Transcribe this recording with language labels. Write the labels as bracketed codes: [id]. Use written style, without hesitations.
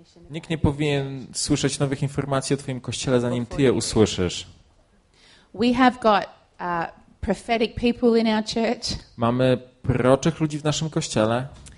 [pl] Nikt nie powinien słyszeć nowych informacji o twoim kościele, zanim ty je usłyszysz. [en] We have got prophetic people in our church. [pl] Mamy proroczych ludzi w naszym kościele.